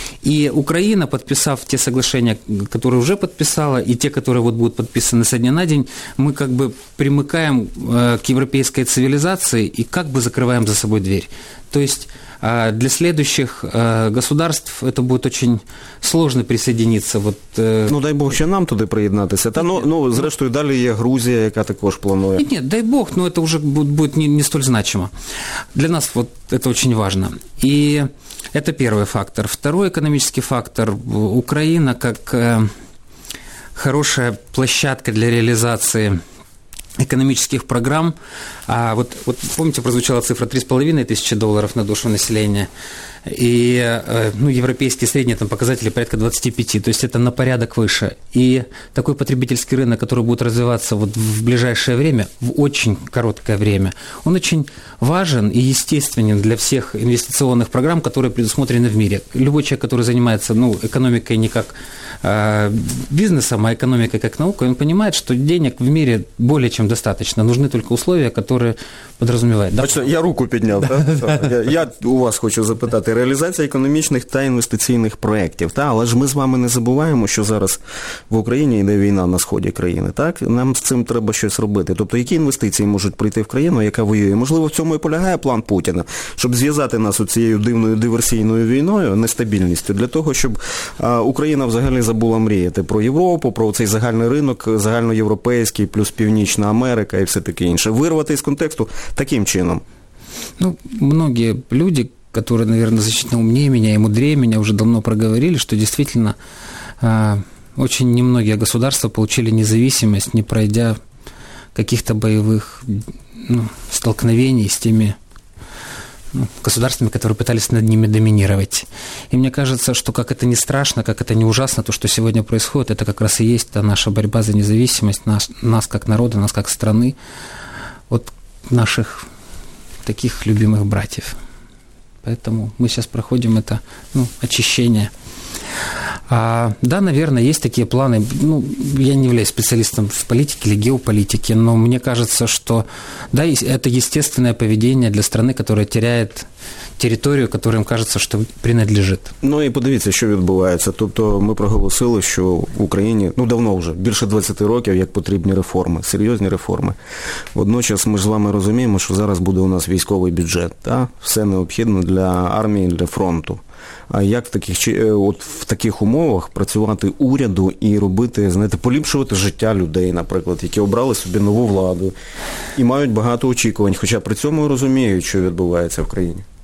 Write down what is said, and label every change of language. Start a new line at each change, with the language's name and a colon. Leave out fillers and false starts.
Russian: И Украина, подписав те соглашения, которые уже подписала, и те, которые вот будут подписаны со дня на день, мы как бы примыкаем к европейской цивилизации и как бы закрываем за собой дверь. То есть для следующих государств это будет очень сложно присоединиться. Вот, ну, дай Бог, еще нам туда приеднаться.
Ukrainian: Та, ну, зрештою,
Russian: далее есть
Ukrainian: Грузия, яка також планує.
Russian: Нет, дай Бог, но это уже будет не столь значимо. Для нас вот это очень важно. И это первый фактор. Второй экономический фактор – Украина как хорошая площадка для реализации экономических программ – А вот, вот помните, прозвучала цифра 3,5 тысячи долларов на душу населения, и ну, европейские средние там показатели порядка 25, то есть это на порядок выше. И такой потребительский рынок, который будет развиваться вот в ближайшее время, в очень короткое время, он очень важен и естественен для всех инвестиционных программ, которые предусмотрены в мире. Любой человек, который занимается ну, экономикой не как бизнесом, а экономикой как наукой, он понимает, что денег в мире более чем достаточно, нужны только условия, которые подразумевают. Да? Значит, я руку поднял, да? Я у вас хочу
Ukrainian: запитати. Реалізація економічних та інвестиційних проєктів. Та, але ж ми з вами не забуваємо, що зараз в Україні йде війна на сході країни. Так? Нам з цим треба щось робити. Тобто, які інвестиції можуть прийти в країну, яка воює? Можливо, в цьому і полягає план Путіна, щоб зв'язати нас оцією дивною диверсійною війною, нестабільністю, для того, щоб Україна взагалі забула мріяти про Європу, про цей загальний ринок, загальноєвропейський, плюс Північна Америка і все таке інше. Вирвати із контексту таким чином.
Russian: Ну,
Ukrainian: багато людей,
Russian: которые, наверное, значительно умнее меня и мудрее меня, уже давно проговорили, что действительно очень немногие государства получили независимость, не пройдя каких-то боевых столкновений с теми государствами, которые пытались над ними доминировать. И мне кажется, что как это ни страшно, как это ни ужасно, то, что сегодня происходит, это как раз и есть та наша борьба за независимость нас как народа, нас как страны, от наших таких любимых братьев. Поэтому мы сейчас проходим это очищение. Да, наверное, есть такие планы. Ну, я не являюсь специалистом в политике или геополитике, но мне кажется, что да, это естественное поведение для страны, которая теряет
Ukrainian: територію, яким кажеться, що принадлежить. Ну і подивіться, що відбувається. Тобто ми проголосили, що Україні, ну давно вже, більше 20 років, як потрібні реформи, серйозні реформи. Водночас ми ж з вами розуміємо, що зараз буде у нас військовий бюджет, та все необхідне для армії, для фронту. А як в таких умовах працювати уряду і робити, знаєте, поліпшувати життя людей, наприклад, які обрали собі нову владу і мають багато очікувань, хоча при цьому розуміють, що відбувається в країні.